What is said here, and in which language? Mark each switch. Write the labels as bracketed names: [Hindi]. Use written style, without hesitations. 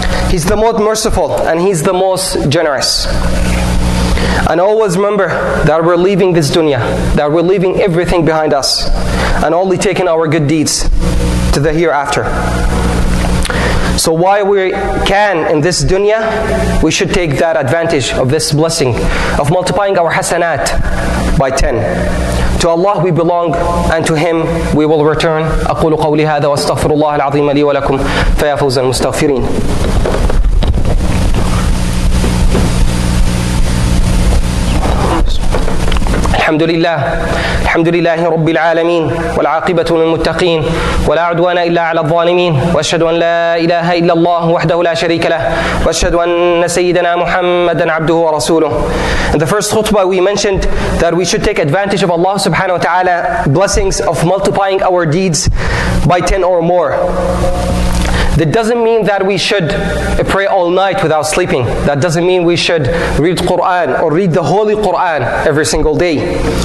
[English] He's the most merciful and he's the most generous. And always remember that we're leaving this dunya, that we're leaving everything behind us and only taking our good deeds to the hereafter. So while we can in this dunya, we should take that advantage of this blessing of multiplying our hasanat by 10. To Allah we belong and to Him we will return. [Arabic] أقول قولي هذا واستغفر الله العظيم لي ولكم فيا فوز المستغفرين. الحمد لله، الحمد لله رب العالمين، والعاقبة للمتقين، ولا عدوان إلا على الظالمين، وأشهد أن لا إله إلا الله وحده لا شريك له، وأشهد أن سيدنا محمدا عبده ورسوله. [English] In the first khutbah we mentioned that we should take advantage of Allah subhanahu wa ta'ala blessings of multiplying our deeds by 10 or more. That doesn't mean that we should pray all night without sleeping. That doesn't mean we should read Quran or read the Holy Quran every single day.